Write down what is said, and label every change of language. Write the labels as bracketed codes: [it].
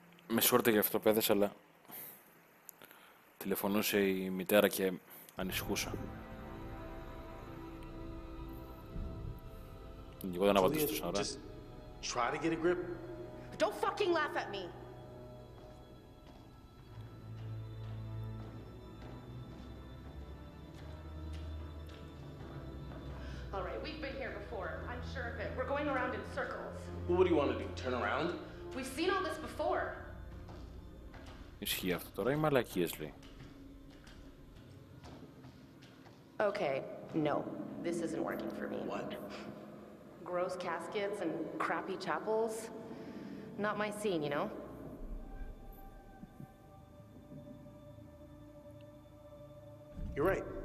[el] Με συγχωρείτε για αυτό, παιδες, αλλά τηλεφωνούσε η μητέρα και ανησυχούσα. Εγώ δεν απαντήσω τόσο ώρα. [en] Try to get a grip. Don't fucking laugh at me. All right, we've been here before. I'm sure of it. We're going around in circles. Well, what do you want to do? Turn around? We've seen all this before. [el] Ισχύει αυτό τώρα ή μαλακίες, λέει. [en] Okay, no. This isn't working for me. What? Gross caskets and crappy chapels? Not my scene, you know? You're right.